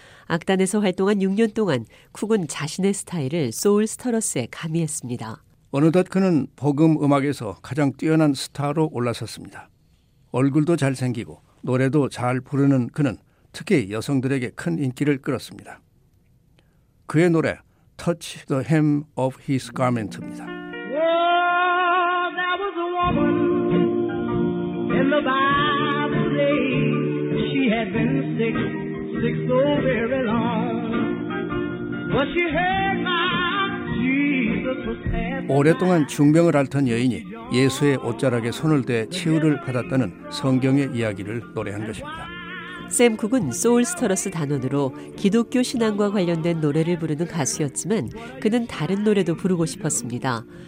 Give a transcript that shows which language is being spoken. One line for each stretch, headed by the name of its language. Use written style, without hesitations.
Korean: 악단에서 활동한 6년 동안 쿡은 자신의 스타일을 소울 스터러스에 가미했습니다. 어느덧 그는 복음 음악에서 가장 뛰어난 스타로 올라섰습니다. 얼굴도 잘생기고 노래도 잘 부르는 그는 특히 여성들에게 큰 인기를 끌었습니다. 그의 노래 Touch the Hem of His Garment입니다.
English: Oh, there was a woman in the Bible day. She had been sick, sick so very long. But she heard my Jesus was passing.
Korean: 오랫동안 중병을 앓던 여인이 예수의 옷자락에 손을 대 치유를 받았다는 성경의 이야기를 노래한 것입니다. 샘 쿡은 소울스터러스 단원으로 기독교 신앙과 관련된 노래를 부르는 가수였지만 그는 다른 노래도 부르고 싶었습니다.